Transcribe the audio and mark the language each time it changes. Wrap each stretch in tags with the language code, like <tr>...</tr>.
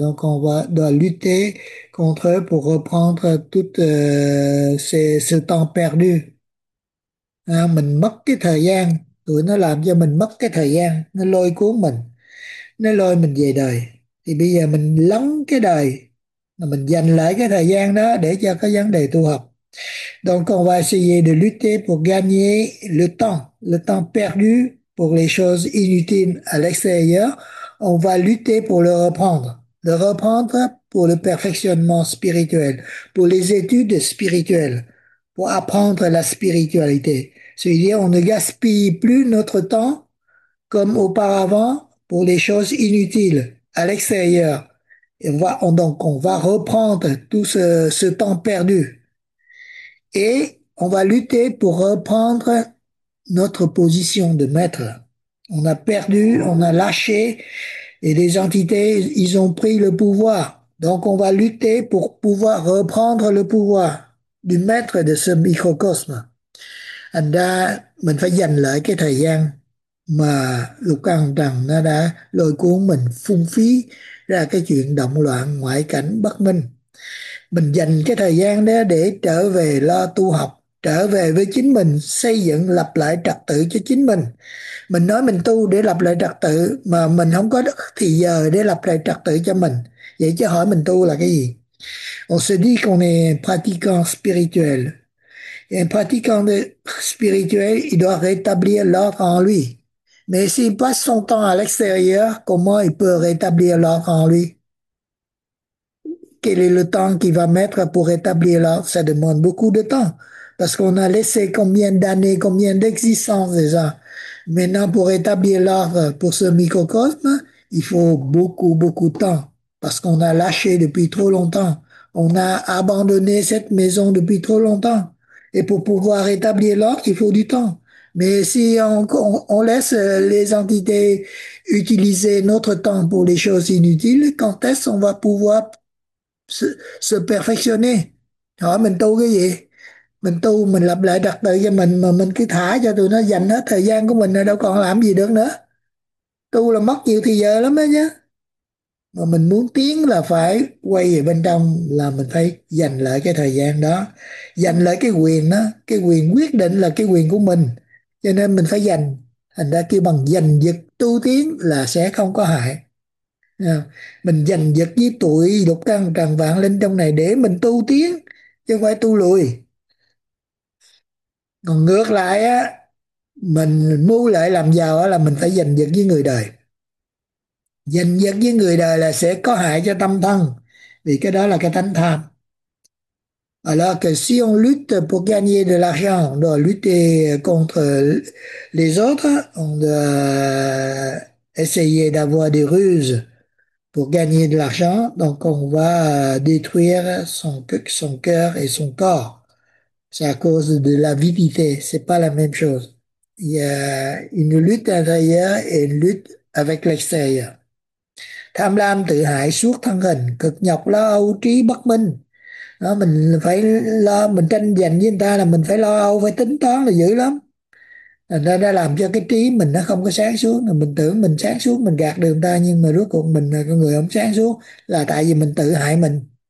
<fr>Donc, doit lutter contre eux pour reprendre tout ce temps perdu.</fr> <vi>À, mình mất cái thời gian, tụi nó làm cho mình mất cái thời gian, nó lôi cuốn mình, nó lôi mình về đời. Thì bây giờ mình lắng cái đời, mà mình dành lại cái thời gian đó để cho cái vấn đề tu học.</vi> <fr>Donc on va essayer de lutter pour gagner le temps perdu pour les choses inutiles à l'extérieur. On va lutter pour le reprendre pour le perfectionnement spirituel, pour les études spirituelles, pour apprendre la spiritualité. C'est-à-dire, on ne gaspille plus notre temps comme auparavant pour les choses inutiles à l'extérieur. Et on va reprendre tout ce temps perdu. Et on va lutter pour reprendre notre position de maître. On a perdu, on a lâché, et les entités, ils ont pris le pouvoir. Donc, on va lutter pour pouvoir reprendre le pouvoir du maître de ce microcosme.</fr> <vi>Thành ra mình phải dành lại cái thời gian mà lục căn trần nó đã lôi cuốn mình, phung phí ra cái chuyện động loạn ngoại cảnh bất minh. Mình dành cái thời gian đó để trở về lo tu học, trở về với chính mình, xây dựng lập lại trật tự cho chính mình. Mình nói mình tu để lập lại trật tự mà mình không có thì giờ để lập lại trật tự cho mình. Vậy chứ hỏi mình tu là cái gì?</vi> <fr>On se dit qu'on est pratiquant spirituel. Et un pratiquant spirituel, il doit rétablir l'ordre en lui. Mais s'il passe son temps à l'extérieur, comment il peut rétablir l'ordre en lui? Quel est le temps qu'il va mettre pour rétablir l'ordre? Ça demande beaucoup de temps. Parce qu'on a laissé combien d'années, combien d'existences déjà. Maintenant, pour rétablir l'ordre pour ce microcosme, il faut beaucoup, beaucoup de temps. Parce qu'on a lâché depuis trop longtemps. On a abandonné cette maison depuis trop longtemps. Et pour pouvoir rétablir l'ordre, il faut du temps. Mais si on laisse les entités utiliser notre temps pour les choses inutiles, quand est-ce qu'on va pouvoir se perfectionner? Alors,</fr> <vi>mình tu cái gì? Mình tu, mình lập lại trật tự cho mình, mà mình cứ thả cho tụi nó dành hết thời gian của mình, đâu còn làm gì được nữa. tu là mất nhiều thì giờ lắm đó nhé. Mà mình muốn tiến là phải quay về bên trong, là mình phải dành lại cái thời gian đó, dành lại cái quyền đó, cái quyền quyết định là cái quyền của mình, cho nên mình phải dành. Thành ra kêu bằng giành giật tu tiến là sẽ không có hại. Mình giành giật với tụi lục căn trần vạn linh trong này để mình tu tiến chứ không phải tu lùi. Còn ngược lại á, mình mưu lợi làm giàu á, là mình phải giành giật với người đời. Giành giật với người đời là sẽ có hại cho tâm thân, vì cái đó là cái tánh tham.</vi> <fr>Alors que si on lutte pour gagner de l'argent, on doit lutter contre les autres, on doit essayer d'avoir des ruses pour gagner de l'argent, donc on va détruire son cœur et son corps. C'est à cause de l'avidité, c'est pas la même chose. Il y a une lutte intérieure et une lutte avec l'extérieur.</fr> <vi>Tham lam tự hại suốt thân hình, cực nhọc lo âu trí bất minh. Đó, mình phải lo, mình tranh giành với người ta là mình phải lo âu, phải tính toán là dữ lắm. Nên đã làm cho cái trí mình nó không có sáng suốt. Mình tưởng mình sáng suốt, mình gạt được người ta, nhưng mà rốt cuộc mình là con người không sáng suốt, là tại vì mình tự hại mình.</vi>